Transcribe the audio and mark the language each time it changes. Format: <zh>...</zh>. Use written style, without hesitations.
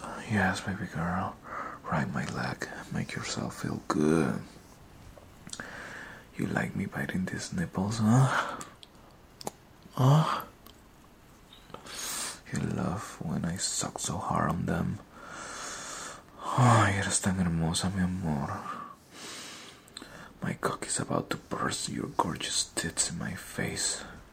<en>Yes, baby girl. Ride my leg. Make yourself feel good. You like me biting these nipples, huh? Huh? You love when I suck so hard on them.</en> <es>Ay, eres tan hermosa, mi amor.</es> <en>My cock is about to burst your gorgeous tits in my face.</en>